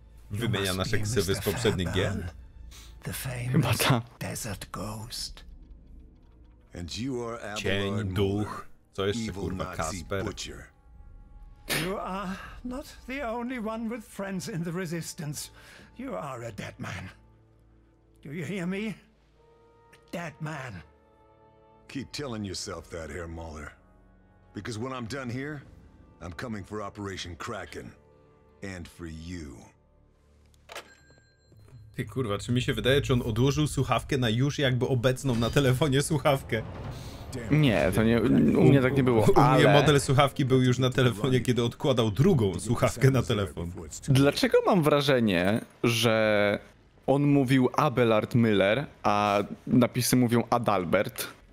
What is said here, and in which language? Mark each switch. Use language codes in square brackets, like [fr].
[pl] Wymienia nasze ksywy z poprzednich gier. [en] The famous desert ghost. And you are Abelard. [pl] Cień, duch. Co jeszcze, kurwa, Kasper? [en] You are not the only one with friends in the resistance. You are a dead man. Do you hear me? Dead man. Keep telling yourself that, Herr Mahler. Because when I'm done here, I'm coming for Operation Kraken. And for you. [pl] Ty kurwa, czy mi się wydaje, czy on odłożył słuchawkę na już jakby obecną na telefonie słuchawkę? Nie, to nie, u mnie tak nie było, u mnie ale... model słuchawki był już na telefonie, kiedy odkładał drugą słuchawkę na telefon. Dlaczego mam wrażenie, że... On mówił Abelard Müller, a napisy mówią Adalbert.